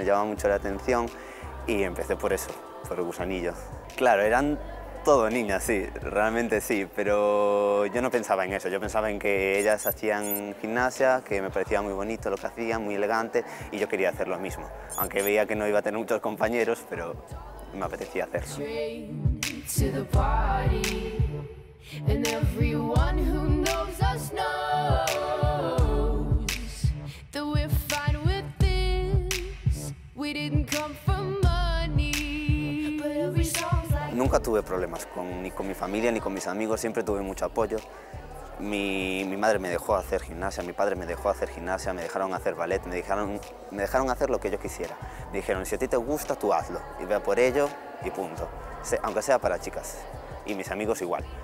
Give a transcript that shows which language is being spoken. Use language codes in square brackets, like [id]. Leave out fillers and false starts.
[es] Me llamaba mucho la atención y empecé por eso, por el gusanillo. Claro, eran todo niñas, sí, realmente sí, pero yo no pensaba en eso, yo pensaba en que ellas hacían gimnasia, que me parecía muy bonito lo que hacían, muy elegante, y yo quería hacer lo mismo. Aunque veía que no iba a tener muchos compañeros, pero me apetecía hacerlo. [en] To the party, and everyone who knows us knows that we're fine with this. We didn't come for money, but every song's like... [es] Nunca tuve problemas ni con mi familia ni con mis amigos, siempre tuve mucho apoyo. Mi madre me dejó hacer gimnasia, mi padre me dejó hacer gimnasia, me dejaron hacer ballet, me dejaron hacer lo que yo quisiera. Me dijeron, si a ti te gusta, tú hazlo, y vea por ello, y punto. Aunque sea para chicas. Y mis amigos igual.